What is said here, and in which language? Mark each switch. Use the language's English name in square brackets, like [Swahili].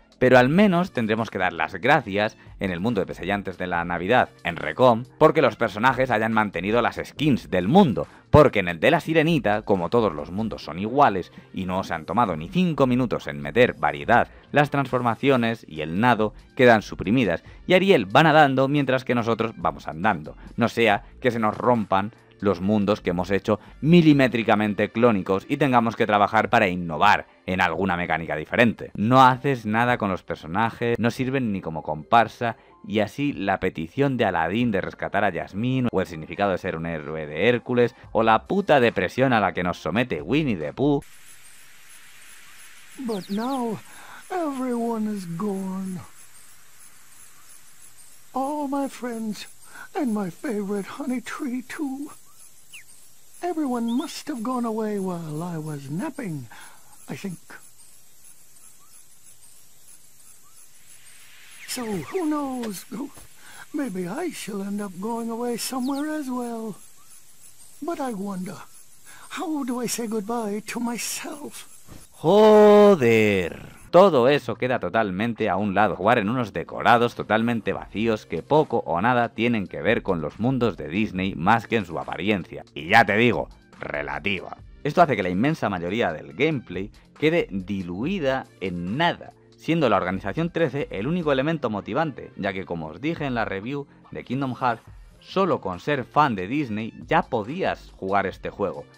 [Spanish] Pero al menos tendremos que dar las gracias en el mundo de PC y antes de la Navidad, en Recom, porque los personajes hayan mantenido las skins del mundo, porque en el de la Sirenita, como todos los mundos son iguales y no se han tomado ni 5 minutos en meter variedad, las transformaciones y el nado quedan suprimidas y Ariel va nadando mientras que nosotros vamos andando, no sea que se nos rompan los mundos que hemos hecho milimétricamente clónicos y tengamos que trabajar para innovar en alguna mecánica diferente. No haces nada con los personajes, no sirven ni como comparsa, y así la petición de Aladín de rescatar a Yasmín, o el significado de ser un héroe de Hércules, o la puta depresión a la que nos somete Winnie the Pooh. [English] But now everyone is gone. All my friends and my favorite honey tree too. Everyone must have gone away while I was napping, I think. So, who knows? Maybe I shall end up going away somewhere as well. But I wonder, how do I say goodbye to myself? [Spanish] Joder. Todo eso queda totalmente a un lado, jugar en unos decorados totalmente vacíos que poco o nada tienen que ver con los mundos de Disney más que en su apariencia. Y ya te digo, relativa. Esto hace que la inmensa mayoría del gameplay quede diluida en nada, siendo la organización 13 el único elemento motivante, ya que como os dije en la review de Kingdom Hearts, solo con ser fan de Disney ya podías jugar este juego.